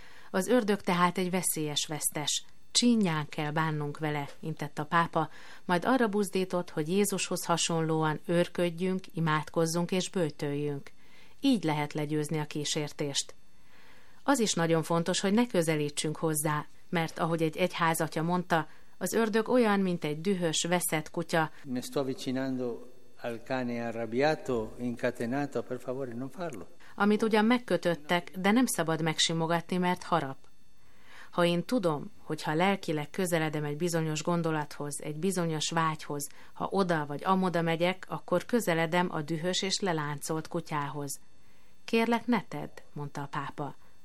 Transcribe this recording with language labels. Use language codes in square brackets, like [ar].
[hu] Az ördög tehát egy veszélyes vesztes. Csínyán kell bánnunk vele, intett a pápa, majd arra buzdított, hogy Jézushoz hasonlóan őrködjünk, imádkozzunk és böjtöljünk. Így lehet legyőzni a kísértést. Az is nagyon fontos, hogy ne közelítsünk hozzá, mert ahogy egy egyházatya mondta, az ördög olyan, mint egy dühös, veszett kutya. [it] Mi sto avvicinando al cane arrabbiato, incatenato, per favore non farlo. [hu] Amit ugyan megkötöttek, de nem szabad megsimogatni, mert harap. Ha én tudom, hogy ha lelkileg közeledem egy bizonyos gondolathoz, egy bizonyos vágyhoz, ha oda vagy amoda megyek, akkor közeledem a dühös és leláncolt kutyához. Kérlek, ne tedd, mondta a pápa.